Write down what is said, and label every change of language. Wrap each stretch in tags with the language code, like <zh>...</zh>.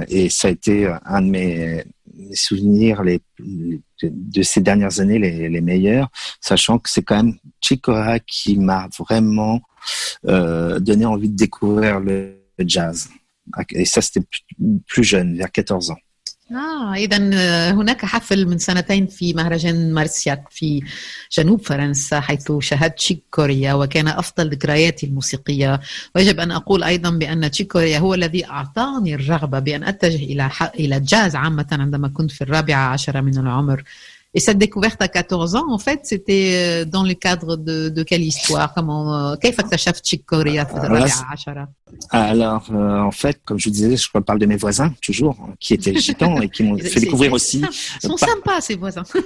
<fr>ça a été un de mes souvenirs de ces dernières années les meilleurs, sachant que c'est quand même Chick Corea qui m'a vraiment donné envie de découvrir le jazz. Et ça, c'était plus jeune, vers 14 ans.</fr> <ar>آه إذا هناك حفل من سنتين في مهرجان مارسياك في جنوب فرنسا حيث شاهدت تشيك كوريا وكان أفضل ذكرياتي الموسيقية ويجب أن أقول أيضا بأن تشيك كوريا هو الذي أعطاني الرغبة بأن أتجه إلى الجاز عامة عندما كنت في 14 من العمر.</ar> <fr>Et cette découverte à 14 ans, en fait, c'était dans le cadre de quelle histoire? Comment tu as fait Chick Corea? Alors, en fait, comme je vous disais, je parle de mes voisins, toujours, qui étaient gitans et qui m'ont fait découvrir aussi. Ils sont sympas, ces voisins.</fr>